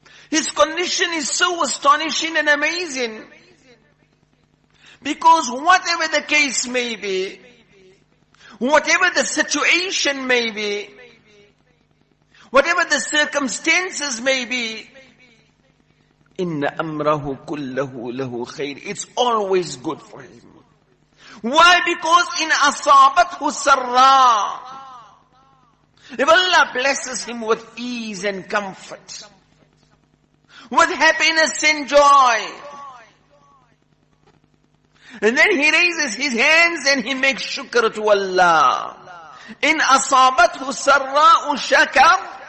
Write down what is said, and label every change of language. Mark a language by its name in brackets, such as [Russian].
[English] His condition is so astonishing and amazing. Because whatever the case may be, whatever the situation may be, whatever the circumstances may be, [Arabic] إِنَّ أَمْرَهُ كُلَّهُ لَهُ خَيْرٍ. [English] It's always good for him. Why? Because [Arabic] إِنْ أَصَابَتْهُ سَرَّا. [English] If Allah blesses him with ease and comfort, with happiness and joy, and then he raises his hands and he makes shukr to Allah. [Arabic] إِنْ أَصَابَتْهُ سَرَّا شَكَرْ.